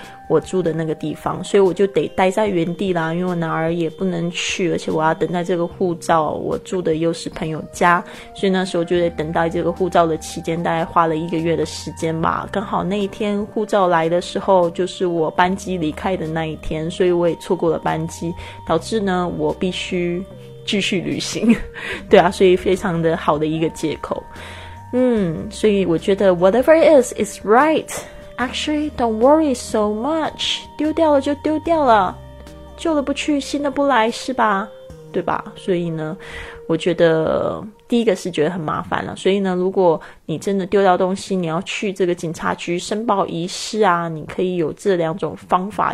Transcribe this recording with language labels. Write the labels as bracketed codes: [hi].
[zh] 我住的那个地方，所以我就得待在原地啦，因为我哪儿也不能去，而且我要等待这个护照，我住的又是朋友家，所以那时候就得等待这个护照的期间，大概花了一个月的时间吧。刚好那一天护照来的时候就是我班机离开的那一天，所以我也错过了班机，导致呢我必须继续旅行。对啊，所以非常的好的一个借口。所以我觉得 [en] whatever it is is rightActually, don't worry so much. [zh] 丢掉了就丢掉了，旧的不去，新的不来，是吧？对吧？所以呢，我觉得第一个是觉得很麻烦了。所以呢，如果你真的丢掉东西，你要去这个警察局申报遗失啊，你可以有这两种方法。